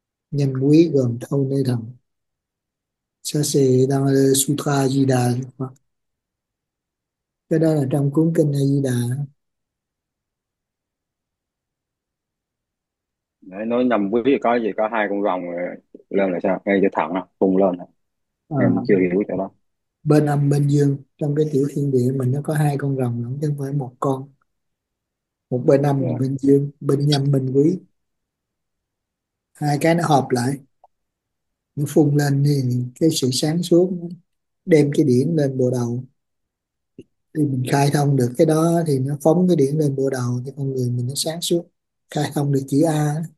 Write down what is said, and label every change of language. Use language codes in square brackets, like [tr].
[vi] Nhâm quý gồm thâu nơi thận. [fr] Ça c'est dans le Sutra Di Đà. [vi] Cái đó là trong cuốn kinh Di Đà. Đấy, nói nhầm quý vị có gì có hai con rồng lên là sao, ngay cho thẳng á, cùng lên đó. À, Em chưa hiểu chỗ đó. bên âm bên dương trong cái tiểu thiên địa mình nó có hai con rồng chứ không phải một con, một bên âm một bên dương, bên nhâm bên quý, hai cái nó hợp lại nó phun lên thì cái sự sáng suốt đem cái điển lên bộ đầu thì mình khai thông được cái đó, thì nó phóng cái điển lên bộ đầu thì con người mình nó sáng suốt, khai thông được chữ A.